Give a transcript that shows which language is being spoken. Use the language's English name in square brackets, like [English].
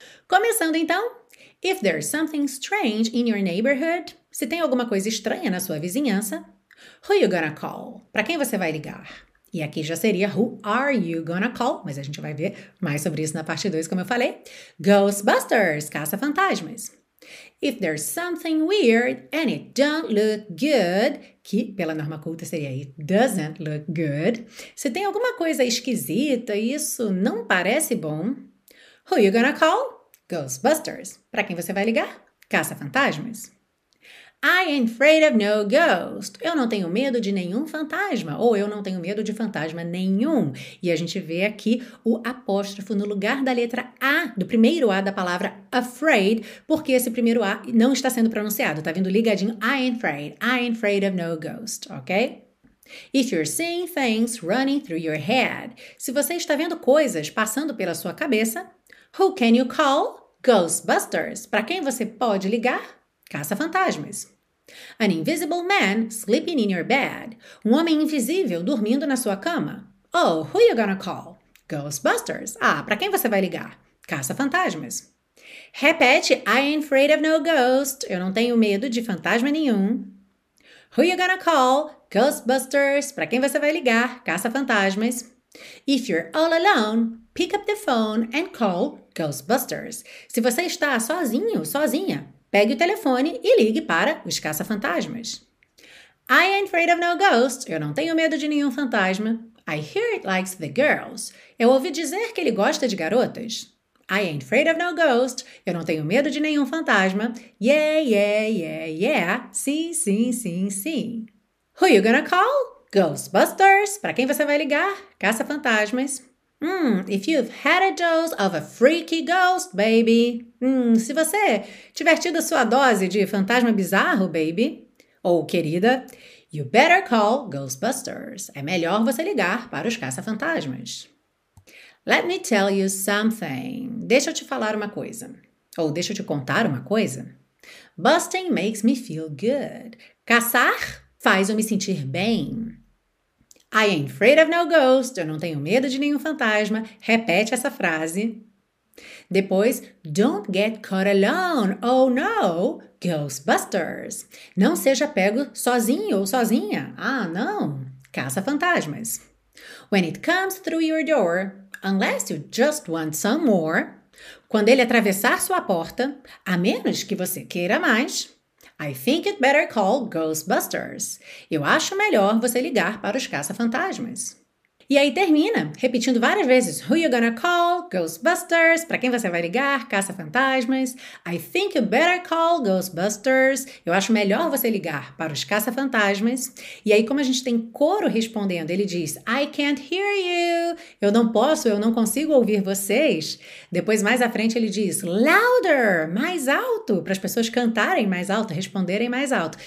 [Portuguese] Começando então, [English] if there's something strange in your neighborhood, [Portuguese] se tem alguma coisa estranha na sua vizinhança, [English] who you gonna call? [Portuguese] Para quem você vai ligar? E aqui já seria [English] who are you gonna call? [Portuguese] Mas a gente vai ver mais sobre isso na parte 2, como eu falei. Ghostbusters, Caça-Fantasmas. [English] If there's something weird and it don't look good, [Portuguese] que pela norma culta seria [English] it doesn't look good. [Portuguese] Se tem alguma coisa esquisita e isso não parece bom, [English] who you gonna call? [Portuguese] Ghostbusters. Para quem você vai ligar? Caça-Fantasmas. [English] I ain't afraid of no ghost. [Portuguese] Eu não tenho medo de nenhum fantasma. Ou eu não tenho medo de fantasma nenhum. E a gente vê aqui o apóstrofo no lugar da letra A, do primeiro A da palavra afraid, porque esse primeiro A não está sendo pronunciado. Tá vindo ligadinho. [English] I ain't afraid. I ain't afraid of no ghost. Ok? If you're seeing things running through your head. [Portuguese] Se você está vendo coisas passando pela sua cabeça, [English] who can you call? [Portuguese] Ghostbusters. Para quem você pode ligar? Caça-Fantasmas. [English] An invisible man sleeping in your bed. [Portuguese] Um homem invisível dormindo na sua cama. [English] Oh, who you gonna call? Ghostbusters. [Portuguese] Ah, para quem você vai ligar? Caça-fantasmas. Repete, [English] I ain't afraid of no ghost. [Portuguese] Eu não tenho medo de fantasma nenhum. [English] Who you gonna call? [Portuguese] Ghostbusters. Para quem você vai ligar? Caça-fantasmas. [English] If you're all alone, pick up the phone and call Ghostbusters. [Portuguese] Se você está sozinho, sozinha, pegue o telefone e ligue para os caça-fantasmas. [English] I ain't afraid of no ghost. [Portuguese] Eu não tenho medo de nenhum fantasma. [English] I hear it likes the girls. [Portuguese] Eu ouvi dizer que ele gosta de garotas. [English] I ain't afraid of no ghost. [Portuguese] Eu não tenho medo de nenhum fantasma. [English] Yeah, yeah, yeah, yeah. [Portuguese] Sim, sim, sim, sim. [English] Who you gonna call? Ghostbusters. [Portuguese] Para quem você vai ligar? Caça-fantasmas. [English] If you've had a dose of a freaky ghost, baby. [Portuguese] Se você tiver tido a sua dose de fantasma bizarro, baby. Ou querida. [English] You better call Ghostbusters. [Portuguese] É melhor você ligar para os caça-fantasmas. [English] Let me tell you something. [Portuguese] Deixa eu te falar uma coisa. Ou deixa eu te contar uma coisa. [English] Busting makes me feel good. [Portuguese] Caçar faz eu me sentir bem. [English] I ain't afraid of no ghost. [Portuguese] Eu não tenho medo de nenhum fantasma. Repete essa frase. Depois, [English] don't get caught alone. Oh no, Ghostbusters. [Portuguese] Não seja pego sozinho ou sozinha. Ah, não. Caça-fantasmas. [English] When it comes through your door, unless you just want some more. [Portuguese] Quando ele atravessar sua porta, a menos que você queira mais. [English] I think you'd better call Ghostbusters. [Portuguese] Eu acho melhor você ligar para os caça-fantasmas. E aí termina, repetindo várias vezes. [English] Who you gonna call? Ghostbusters. [Portuguese] Para quem você vai ligar? Caça-fantasmas. [English] I think you better call Ghostbusters. [Portuguese] Eu acho melhor você ligar para os caça-fantasmas. E aí, como a gente tem coro respondendo, ele diz, [English] I can't hear you. [Portuguese] Eu não posso, eu não consigo ouvir vocês. Depois, mais à frente, ele diz, [English] louder, [Portuguese] mais alto, para as pessoas cantarem mais alto, responderem mais alto.